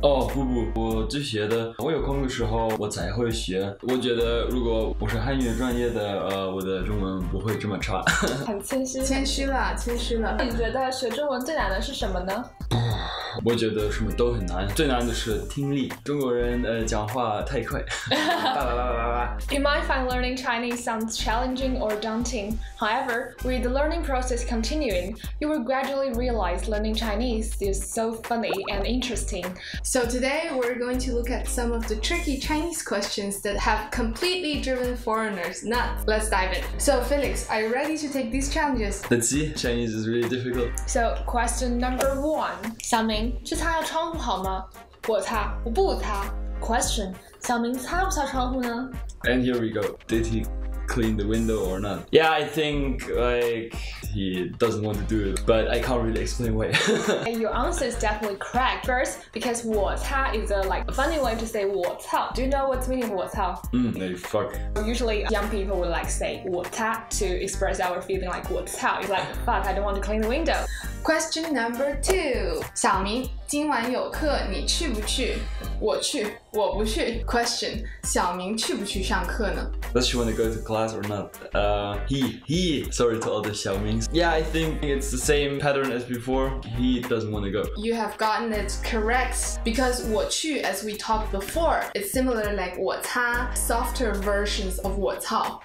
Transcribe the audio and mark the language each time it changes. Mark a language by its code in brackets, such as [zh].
[zh] 哦、oh, 不，我只学的，我有空的时候我才会学。我觉得如果我是汉语专业的，我的中文不会这么差。很谦虚，谦虚了，谦虚了。你觉得学中文最难的是什么呢？我觉得什么都很难，最难的是听力。中国人讲话太快，叭叭叭叭叭。 [en] You might find learning Chinese sounds challenging or daunting. However, with the learning process continuing, you will gradually realize learning Chinese is so funny and interesting. So today we're going to look at some of the tricky Chinese questions that have completely driven foreigners nuts. Let's dive in. So Felix, are you ready to take these challenges? Let's see. Chinese is really difficult. So question number one. [zh] 小明，去擦下窗户好吗？我擦，我不擦。Question： 小明擦不擦窗户呢 [en] ？And here we go. Did he clean the window or not? Yeah, I think like he doesn't want to do it, but I can't really explain why. And your answer is definitely correct. First, because [zh] 我擦 [en] is a like funny way to say 我擦. Do you know what's meaning [zh] 我擦？ [en] Like fuck. Usually, young people would like say [zh] 我擦 [en] to express our feeling like 我擦. It's like fuck, I don't want to clean the window. Question number two. [zh] 小明，今晚有课，你去不去？我去，我不去。 Question: 小明去不去上课呢？ [en] Does she want to go to class or not? He. Sorry to all the 小明. Yeah, I think it's the same pattern as before. He doesn't want to go. You have gotten it correct because [zh] 我去 [en] as we talked before, it's similar like [zh] 我擦 [en] softer versions of 我擦.